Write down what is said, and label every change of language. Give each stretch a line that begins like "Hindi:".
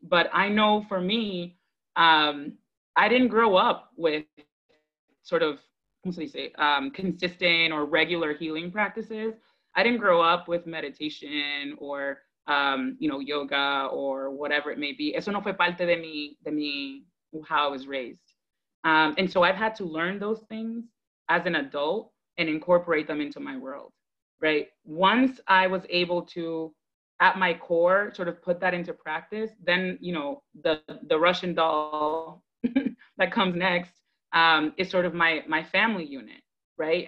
English: But I know for me, I didn't grow up with sort of, consistent or regular healing practices. I didn't grow up with meditation or, yoga or whatever it may be.
Spanish: Eso no fue parte de mí,
English: how I was raised. And so I've had to learn those things as an adult and incorporate them into my world, right? Once I was able to, at my core, sort of put that into practice, then, you know, the Russian doll that comes next is sort of my family unit, right?